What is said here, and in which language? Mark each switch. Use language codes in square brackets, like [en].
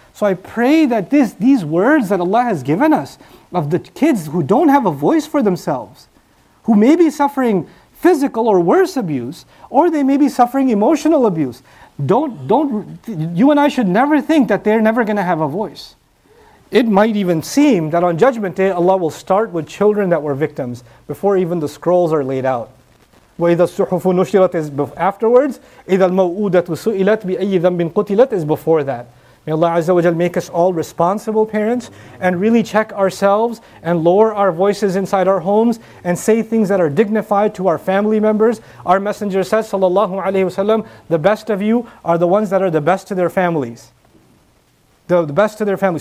[en] So I pray that these words that Allah has given us of the kids who don't have a voice for themselves, who may be suffering physical or worse abuse, or they may be suffering emotional abuse. You and I should never think that they're never going to have a voice. It might even seem that on Judgment Day, Allah will start with children that were victims before even the scrolls are laid out. [ar] وَإِذَا الصُّحُفُ نُشِرَتْ [en] is afterwards. [ar] إِذَا الْمَوْءُودَةُ سُئِلَتْ بِأَيِّ ذَنْبٍ قُتِلَتْ [en] is before that. May Allah Azza wa Jal make us all responsible parents and really check ourselves and lower our voices inside our homes and say things that are dignified to our family members. Our Messenger says, Sallallahu Alaihi Wasallam, the best of you are the ones that are the best to their families. The best to their family.